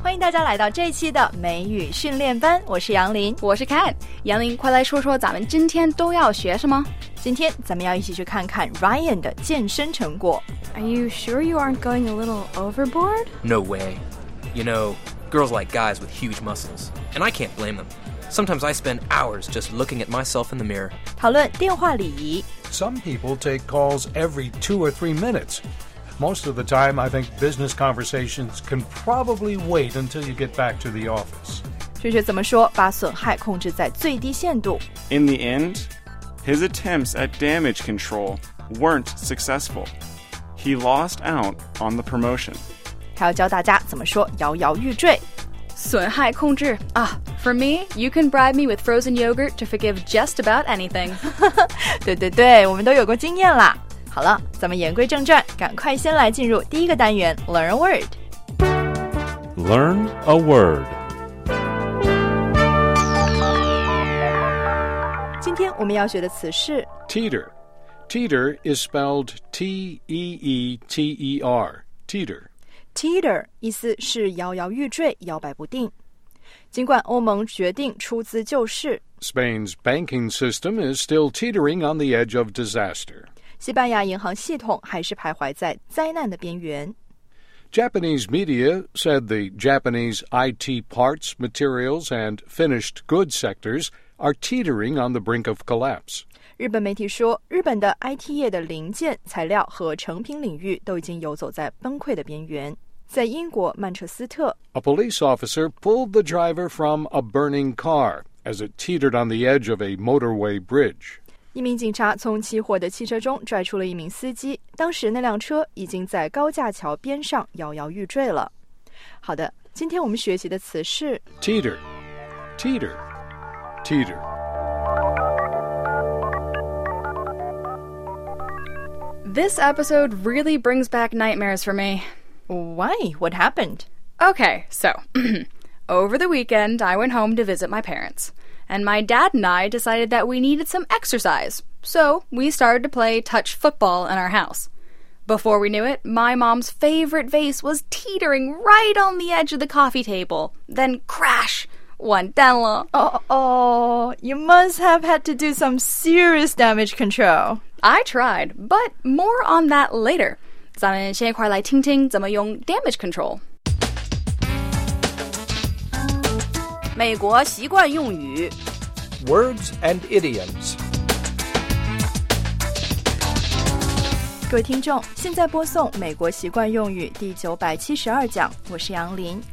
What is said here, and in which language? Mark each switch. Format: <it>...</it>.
<zh>家来到这一期的美语训练班，我是杨林，我是 Kat。杨林，快来说说咱们今天都要学什么。今天咱们要一起去看看 Ryan 的健身成果。</zh> <en>Are you sure you aren't going a little overboard? No way. You know, girls like guys with huge muscles, and I can't blame them. Sometimes I spend hours just looking at myself in the mirror.</en> <zh>讨论电话礼仪。</zh> <en>Some people take calls every 2 or 3 minutes. Most of the time, I think business conversations can probably wait until you get back to the office.</en> <zh>学学怎么说，把损害控制在最低限度。</zh> <en>In the end, his attempts at damage control weren't successful. He lost out on the promotion.</en> <zh>还要教大家怎么说摇摇欲坠。损害控制啊。</zh> <en>For me, you can bribe me with frozen yogurt to forgive just about anything.</en> <zh>对对对，我们都有过经验啦。好了，咱们言归正传，赶快先来进入第一个单元 Learn a Word。</zh> <en>Learn a Word。</en> <zh>今天我们要学的词是</zh> <en>Teeter。 Teeter is spelled T-E-E-T-E-R. Teeter.</en> <zh>Teeter 意思是摇摇欲坠，摇摆不定。尽管欧盟决定出资救市，</zh> <en>Spain's banking system is still teetering on the edge of disaster.</en> <zh>西班牙银行系统还是徘徊在灾难的边缘。</zh> <en>Japanese media said the Japanese IT parts, materials, and finished goods sectors are teetering on the brink of collapse.</en> <zh>日本媒体说，日本的 IT 业的零件、材料和成品领域都已经游走在崩溃的边缘。在英国曼彻斯特，</zh> <en>A police officer pulled the driver from a burning car as it teetered on the edge of a motorway bridge.</en> <zh>一名警察从起火的汽车中拽出了一名司机，当时那辆车已经在高架桥边上摇摇欲坠了。好的，今天我们学习的词是</zh> <en>teeter, teeter, teeter. This episode really brings back nightmares for me. Why? What happened? Okay, so, over the weekend, I went home to visit my parents. And my dad and I decided that we needed some exercise, so we started to play touch football in our house. Before we knew it, my mom's favorite vase was teetering right on the edge of the coffee table. Then crash! Went down low. Oh, you must have had to do some serious damage control. I tried, but more on that later.</en> <zh>咱们先一块来听听怎么用 damage control. 美国习惯用语</zh> <en>Words and idioms.</en> <zh>各位听众，现在播送美国习惯用语第972讲，我是杨林，</zh>